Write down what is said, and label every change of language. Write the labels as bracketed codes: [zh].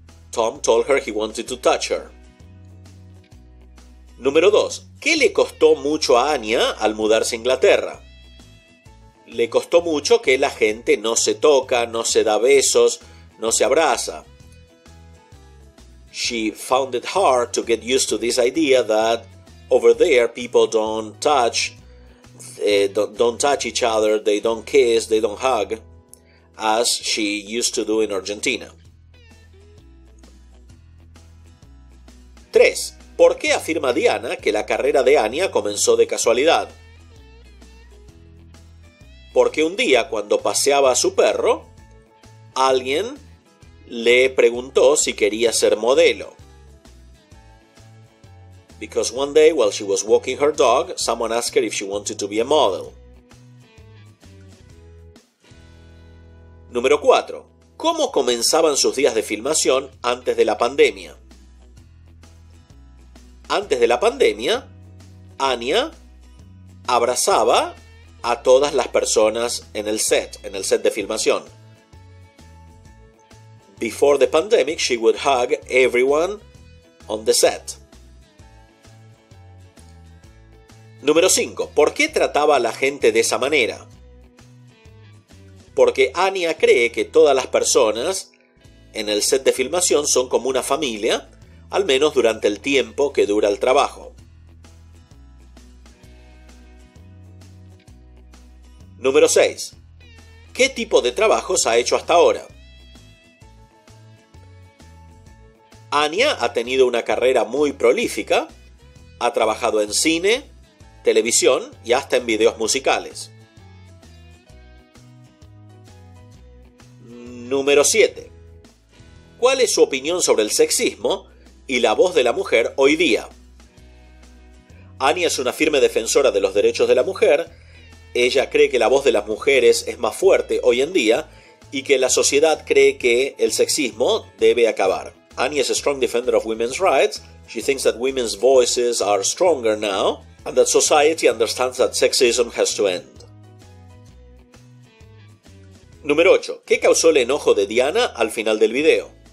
[en] Tom told her he wanted to touch her. [es] Número 2. ¿Qué le costó mucho a Anya al mudarse a Inglaterra? Le costó mucho que la gente no se toca, no se da besos, no se abraza. [en] She found it hard to get used to this idea that over there people don't touch each other, they don't kiss, they don't hug, as she used to do in Argentina. [es] 3. ¿Por qué afirma Diana que la carrera de Anya comenzó de casualidad? Porque un día, cuando paseaba a su perro, alguien le preguntó si quería ser modelo. [en] Because one day, while she was walking her dog, someone asked her if she wanted to be a model. [es] Número 4. ¿Cómo comenzaban sus días de filmación antes de la pandemia? Antes de la pandemia, Anya abrazaba a todas las personas en el set de filmación. [en] Before the pandemic, she would hug everyone on the set. [es] Número 5. ¿Por qué trataba a la gente de esa manera? Porque Anya cree que todas las personas en el set de filmación son como una familia, al menos durante el tiempo que dura el trabajo. Número 6. ¿Qué tipo de trabajos ha hecho hasta ahora? Anya ha tenido una carrera muy prolífica, ha trabajado en cine, televisión y hasta en videos musicales. Número 7. ¿Cuál es su opinión sobre el sexismo y la voz de la mujer hoy día? Anya es una firme defensora de los derechos de la mujer. Ella cree que la voz de las mujeres es más fuerte hoy en día y que la sociedad cree que el sexismo debe acabar. [en] Anya is a strong defender of women's rights. She thinks that women's voices are stronger now and that society understands that sexism has to end. [es] Número 8. ¿Qué causó el enojo de Diana al final del video?